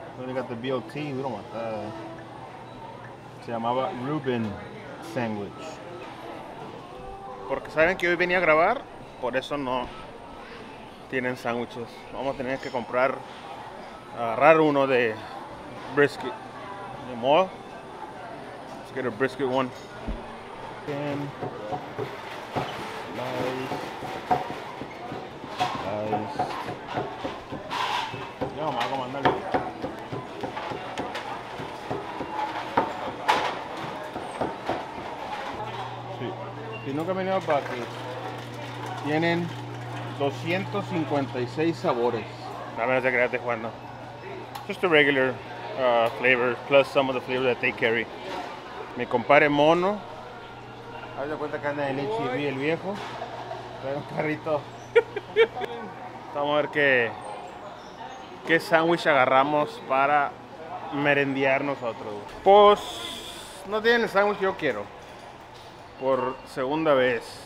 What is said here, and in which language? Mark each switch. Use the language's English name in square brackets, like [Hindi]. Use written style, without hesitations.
[English] We only got the BLT, we don't want that. [Spanish] Se llamaba Reuben Sandwich. Porque saben que hoy venía a grabar, por eso no tienen sandwiches. Vamos a tener que comprar, agarrar uno de brisket. Ni modo. [English] Get a brisket one. Chicken. Nice. Yo, I'm going to [Spanish] mandar. [English] Sí. [Spanish] Si nunca he venido a Buckley, tienen 256 sabores. No me hace creer, Juan, no. [English] Just a regular flavor, plus some of the flavors that they carry. [Spanish] Mi compadre Mono, haz de cuenta que anda en el HEB el viejo. Trae un carrito. Vamos a ver qué sándwich agarramos para merendear nosotros. Pues no tienen el sándwich que yo quiero. Por segunda vez.